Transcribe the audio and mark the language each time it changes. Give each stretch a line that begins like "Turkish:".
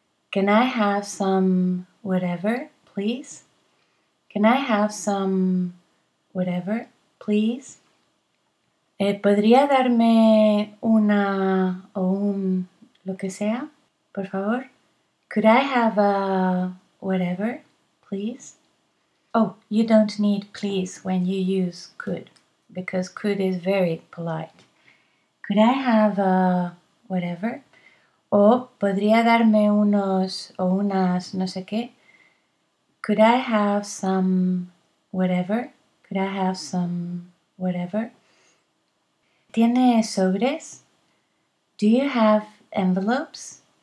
English: Can I have some whatever, please? Can I have some whatever, please?
Spanish: ¿Podría darme una o un lo que sea, por favor?
English: Could I have a whatever, please? Oh, you don't need please when you use could, because could is very polite. Could I have a whatever?
Spanish: O podría darme unos o unas no sé qué.
English: Could I have some whatever? Could I have some whatever?
Spanish: ¿Tiene sobres?
English: Do you have envelopes?